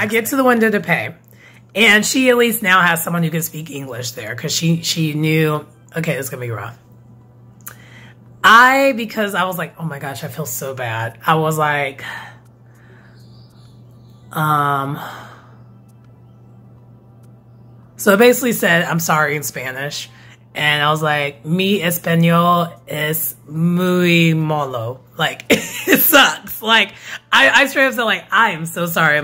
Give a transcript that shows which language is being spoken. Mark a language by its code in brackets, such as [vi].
[en] I get to the window to pay. And she at least now has someone who can speak English there because she knew, okay, it's going to be rough. Because I was like, oh my gosh, I feel so bad. I was like, so I basically said, I'm sorry in Spanish. [es] And I was like, mi español es muy malo. [en] Like, it sucks. Like, I straight up said, like, I am so sorry.